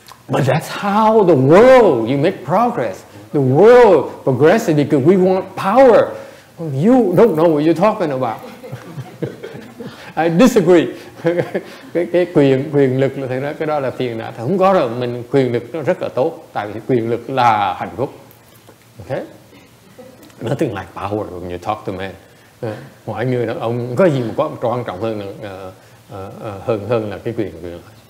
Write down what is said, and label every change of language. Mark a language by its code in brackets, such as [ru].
[en] But that's how the world, you make progress. The world progresses because we want power. Well, you don't know what you're talking about. I disagree. [vi] Cái quyền lực là thầy nói cái đó là phiền não. Thầy không có rồi, mình quyền lực nó rất là tốt. Tại vì quyền lực là hạnh phúc. [en] Okay? Nothing like power when you talk to men. [vi] Mọi người đó, ông có gì mà có quan trọng hơn, hơn là cái quyền lực.